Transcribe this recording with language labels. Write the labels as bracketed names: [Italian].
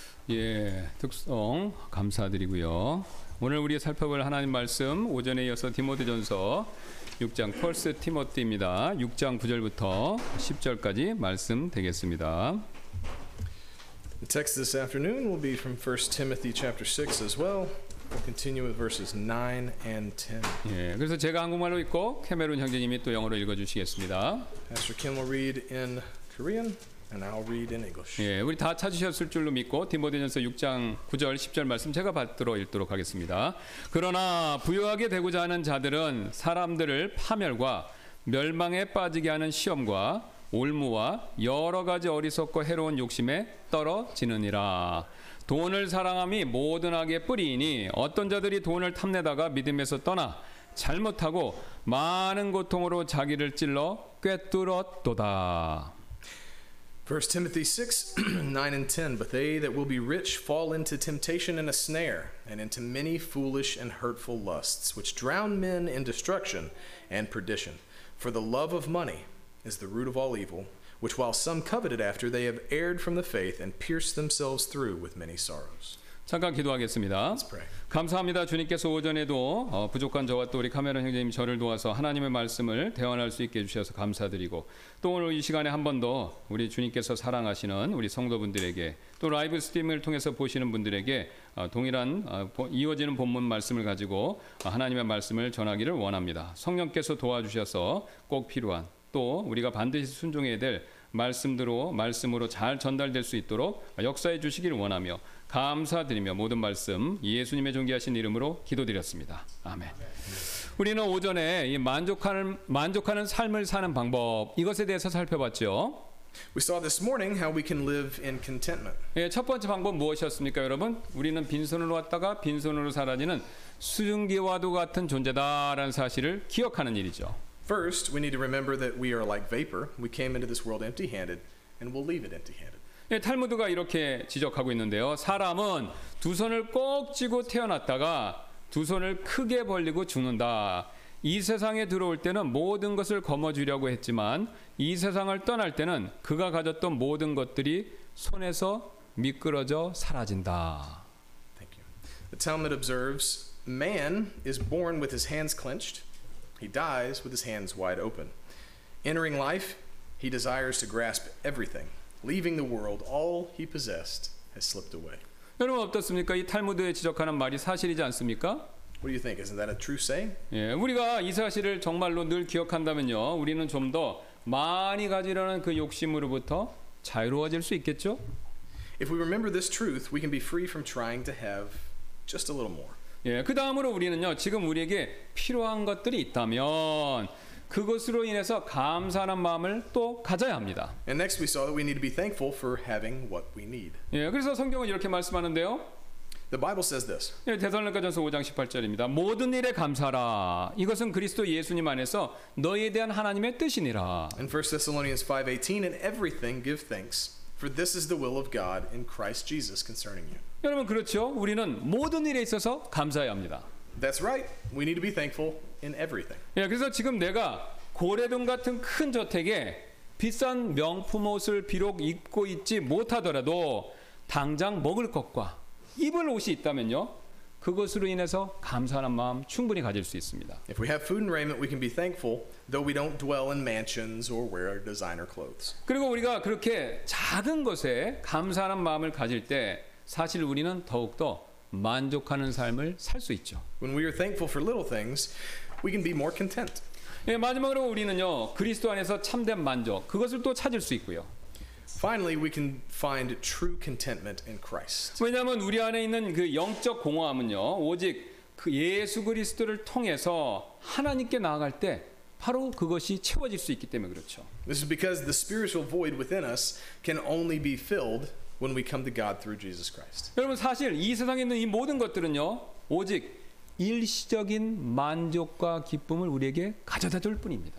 [Korean] 예, 특송 감사드리고요. 오늘 우리 살펴볼 하나님 말씀 오전에 이어서 디모데전서 6장 퍼스트 티모데입니다. 6장 9절부터 10절까지 말씀 되겠습니다. [English] The text this afternoon will be from 1 Timothy chapter 6 as well. We'll continue with verses 9 and 10. [Korean] 예, 그래서 제가 한국말로 읽고 캐메론 형제님이 또 영어로 읽어주시겠습니다. [English] Pastor Kim will read in Korean. And I'll read in English. [Korean] 예, 우리 다 찾으셨을 줄로 믿고 디모데전서 6장 9절 10절 말씀 제가 받도록 읽도록 하겠습니다. 그러나 부유하게 되고자 하는 자들은 사람들을 파멸과 멸망에 빠지게 하는 시험과 올무와 여러 가지 어리석고 해로운 욕심에 떨어지느니라. 돈을 사랑함이 모든 악의 뿌리이니 어떤 자들이 돈을 탐내다가 믿음에서 떠나 잘못하고 많은 고통으로 자기를 찔러 꿰뚫었도다. [English] 1 Timothy 6, 9 and 10, But they that will be rich fall into temptation and a snare, and into many foolish and hurtful lusts, which drown men in destruction and perdition. For the love of money is the root of all evil, which while some coveted after, they have erred from the faith and pierced themselves through with many sorrows. [Korean] 잠깐 기도하겠습니다. [English] Let's pray. [Korean] 감사합니다. 주님께서 오전에도 부족한 저와 또 우리 카메론 형제님 저를 도와서 하나님의 말씀을 대언할 수 있게 해주셔서 감사드리고 또 오늘 이 시간에 한 번 더 우리 주님께서 사랑하시는 우리 성도분들에게 또 라이브 스트리밍을 통해서 보시는 분들에게 동일한 이어지는 본문 말씀을 가지고 하나님의 말씀을 전하기를 원합니다. 성령께서 도와주셔서 꼭 필요한 또 우리가 반드시 순종해야 될 말씀으로 잘 전달될 수 있도록 역사해 주시기를 원하며 감사드리며 모든 말씀 예수님의 존귀하신 이름으로 기도드렸습니다. 아멘. 우리는 오전에 이 만족하는 삶을 사는 방법 이것에 대해서 살펴봤죠. [English] We saw this morning how we can live in contentment. [Korean] 예, 첫 번째 방법 무엇이었습니까, 여러분? 우리는 빈손으로 왔다가 빈손으로 사라지는 수증기와도 같은 존재다라는 사실을 기억하는 일이죠. [English] First, we need to remember that we are like vapor. We came into this world empty-handed and we'll leave it empty-handed. [Korean] 예, 탈무드가 이렇게 지적하고 있는데요. 사람은 두 손을 꼭 쥐고 태어났다가 두 손을 크게 벌리고 죽는다. 이 세상에 들어올 때는 모든 것을 거머쥐려고 했지만 이 세상을 떠날 때는 그가 가졌던 모든 것들이 손에서 미끄러져 사라진다. [English] Thank you. The Talmud observes, man is born with his hands clenched. He dies with his hands wide open. Entering life, he desires to grasp everything. Leaving the world, all he possessed has slipped away. [Korean] 여러분 어떻습니까? 이 탈무드에 지적하는 말이 사실이지 않습니까? [English] What do you think? Isn't that a true saying? [Korean] 예, 우리가 이 사실을 정말로 늘 기억한다면요, 우리는 좀 더 많이 가지려는 그 욕심으로부터 자유로워질 수 있겠죠? [English] If we remember this truth, we can be free from trying to have just a little more. [Korean] 예, 그 다음으로 우리는요, 지금 우리에게 필요한 것들이 있다면 그것으로 인해서 감사하는 마음을 또 가져야 합니다. [English] And next we saw that we need to be thankful for having what we need. [Korean] 예, 그래서 성경은 이렇게 말씀하는데요. [English] The Bible says this. [Korean] 예, 데살로니가전서 5장 18절입니다. 모든 일에 감사하라. 이것은 그리스도 예수님 안에서 너희에 대한 하나님의 뜻이니라. [English] In 1 Thessalonians 5:18, in everything give thanks, for this is the will of God in Christ Jesus concerning you. [Korean] 여러분 그렇죠? 우리는 모든 일에 있어서 감사해야 합니다. [English] That's right. We need to be thankful in everything. [Korean] 예, 그래서 지금 내가 고래돔 같은 큰 저택에 비싼 명품 옷을 비록 입고 있지 못하더라도 당장 먹을 것과 입을 옷이 있다면요, 그것으로 인해서 감사하는 마음 충분히 가질 수 있습니다. [English] If we have food and raiment, we can be thankful, though we don't dwell in mansions or wear designer clothes. [Korean] 그리고 우리가 그렇게 작은 것에 감사하는 마음을 가질 때 사실 우리는 더욱 더 만족하는 삶을 살 수 있죠. [English] When we are thankful for little things, we can be more content. [Korean] 예, 마지막으로 우리는요, 그리스도 안에서 참된 만족, 그것을 또 찾을 수 있고요. [English] Finally, we can find true contentment in Christ. [Korean] 왜냐하면 우리 안에 있는 그 영적 공허함은요, 오직 그 예수 그리스도를 통해서 하나님께 나아갈 때 바로 그것이 채워질 수 있기 때문에 그렇죠. [English] This is because the spiritual void within us can only be filled when we come to God through Jesus Christ. [Korean] 여러분 사실 이 세상에 있는 이 모든 것들은요, 오직 일시적인 만족과 기쁨을 우리에게 가져다 줄 뿐입니다.